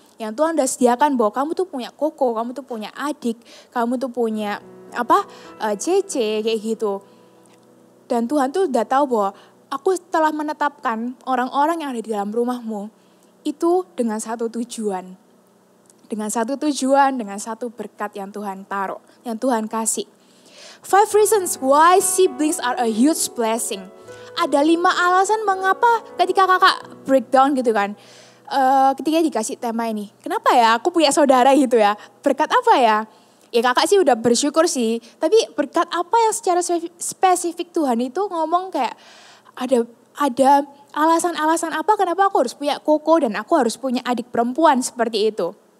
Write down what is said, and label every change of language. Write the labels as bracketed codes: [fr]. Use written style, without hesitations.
[id] Yang Tuhan udah sediakan bahwa kamu tuh punya koko, kamu tuh punya adik, kamu tuh punya apa, cece kayak gitu. Dan Tuhan tuh udah tahu bahwa aku telah menetapkan orang-orang yang ada di dalam rumahmu itu dengan satu tujuan. Dengan satu berkat yang Tuhan taruh, yang Tuhan kasih. [en] 5 reasons why siblings are a huge blessing. [id] Ada 5 alasan mengapa ketika kakak breakdown gitu kan. Ketika dikasih tema ini. Kenapa ya aku punya saudara gitu ya. Berkat apa ya? Ya kakak sih udah bersyukur sih. Tapi berkat apa yang secara spesifik Tuhan itu ngomong kayak. Ada ada alasan-alasan apa kenapa aku harus punya koko dan aku harus punya adik perempuan seperti itu.